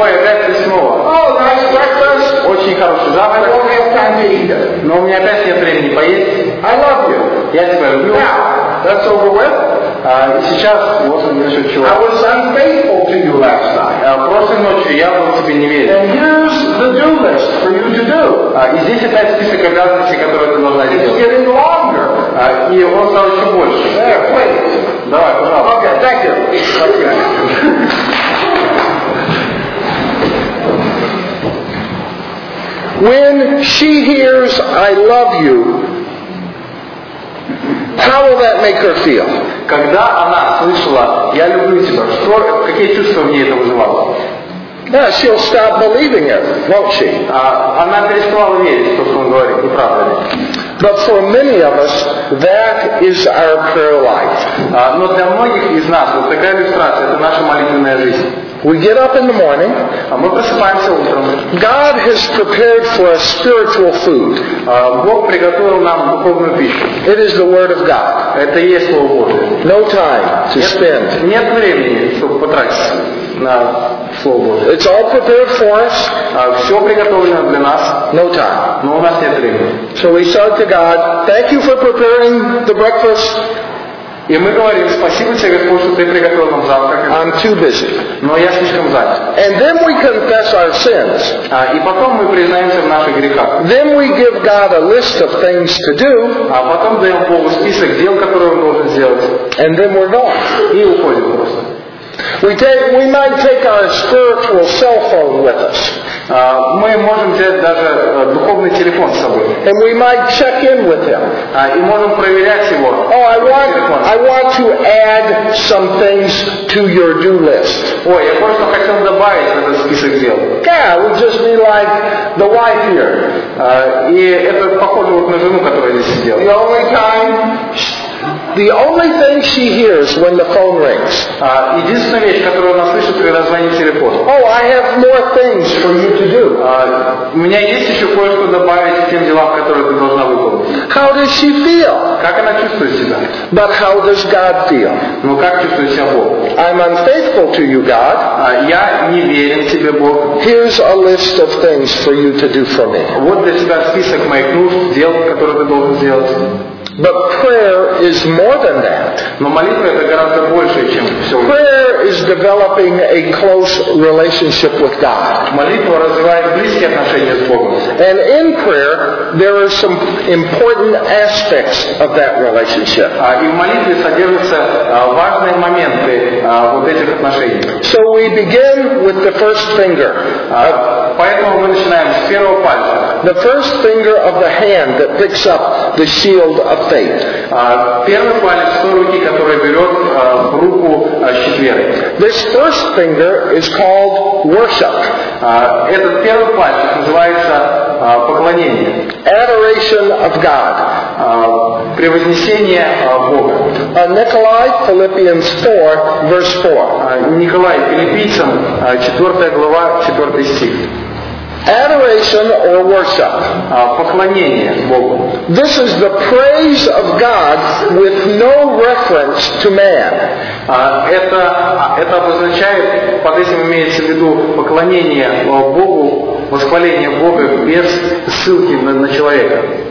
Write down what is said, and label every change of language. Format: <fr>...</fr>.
<ru>Ой, опять ты снова.</ru> <en>Oh, nice breakfast.</en> <ru>Очень хороший завтрак.</ru> <en>I don't have time to eat it.</en> <ru>Но у меня опять нет времени поесть.</ru> <en>I love you.</en> <ru>Я тебя люблю.</ru> <en>Now, that's over with.</en> <ru>Сейчас вот еще чего.</ru> <en>I was unfaithful to you last night.</en> <ru>Прошлой ночью я был тебе не верил.</ru> <en>And here's the do list for you to do.</en> <ru>И здесь опять список обязанностей, которые ты должна делать.</ru> <en>It's getting longer.</en> <ru>И он стал еще больше.</ru> <en>There, wait.</en> <ru>Давай, пожалуйста.</ru> <en>Okay, thank you.</en> <ru>Спасибо.</ru> <en>When she hears I love you, how will that make her feel?</en> <ru>Когда она слышала «Я люблю тебя», что, какие чувства в ней это вызывало?</ru> <en>Yeah, she'll stop believing it, won't she?</en> <ru>Она переставала верить, то, что он говорит, неправда ли?</ru> <en>But for many of us, that is our prayer life.</en> <ru>Но для многих из нас вот такая иллюстрация – это наша молитвенная жизнь.</ru> <en>We get up in the morning.</en> <ru>Мы просыпаемся утром.</ru> <en>God has prepared for us spiritual food.</en> <ru>Бог приготовил нам духовную пищу.</ru> <en>It is the Word of God.</en> <ru>Это и есть Слово Божие.</ru> <en>No time to spend.</en> <ru>Нет времени, чтобы потратить на Слово Божие.</ru> <en>It's all prepared for us.</en> <ru>Все приготовлено для нас.</ru> <en>No time.</en> <ru>Но у нас нет времени.</ru> <en>So we said to God, "Thank you for preparing the breakfast."</en> <ru>И мы говорим, спасибо тебе, Господь, что ты приготовил нам завтрак.</ru> <en>I'm too busy.</en> <ru>Но я слишком занят.</ru> <en>And then we confess our sins.</en> <ru>И потом мы признаемся в наших грехах.</ru> <en>Then we give God a list of things to do.</en> <ru>А потом даем Богу список дел, которые он должен сделать.</ru> <en>And then we're gone.</en> <ru>И уходим просто.</ru> <en>We might take our spiritual cell phone with us.</en> <ru>Мы можем взять даже духовный телефон с собой.</ru> <en>And we might check in with him.</en> <ru>И можем проверять его.</ru> <en>Oh, I want to add some things to your do list.</en> <ru>Ой, я просто хотел добавить в этот список дел.</ru> <en>Yeah, we'll just be like the wife here.</en> <ru>И это похоже вот на жену, которая здесь сидела.</ru> <en>The only time. The only thing she hears when the phone rings.</en> <ru>Единственная вещь, которую она слышит, когда звонит телефон.</ru> <en>Oh, I have more things for you to do.</en> <ru>У меня есть еще кое-что добавить к тем делам, которые ты должна выполнить.</ru> <en>How does she feel?</en> <ru>Как она чувствует себя?</ru> <en>But how does God feel?</en> <ru>Ну как чувствует себя Бог?</ru> <en>I'm unfaithful to you, God.</en> <ru>Я не верен тебе, Бог.</ru> <en>Here's a list of things for you to do for me.</en> <ru>Вот для тебя список моих нужд, дел, которые ты должен сделать.</ru> <en>But prayer is more than that.</en> <ru>Но молитва это гораздо больше, чем все.</ru> <en>Prayer is developing a close relationship with God.</en> <ru>Молитва развивает близкие отношения с Богом.</ru> <en>And in prayer, there are some important aspects of that relationship.</en> <ru>И в молитве содержатся важные моменты вот этих отношений.</ru> <en>So we begin with the first finger.</en> <ru>Поэтому мы начинаем с первого пальца.</ru> <en>The first finger of the hand that picks up the shield of faith.</en> <ru>Первый палец той руки, которая берет руку щит веры.</ru> <en>This first finger is called worship.</en> <ru>Этот первый палец называется поклонение.</ru> <en>Adoration of God.</en> <ru>Превознесение Бога.</ru> <en>Николай, Philippians 4, verse 4.</en> <ru>Николай, Филиппийцам, 4 глава, 4 стих.</ru> <en>Adoration or worship.</en> <ru>Поклонение Богу.</ru> <en>This is the praise of God with no reference to man.</en> <ru>Это обозначает, под этим имеется в виду поклонение Богу, восхваление Бога без ссылки на человека.</ru>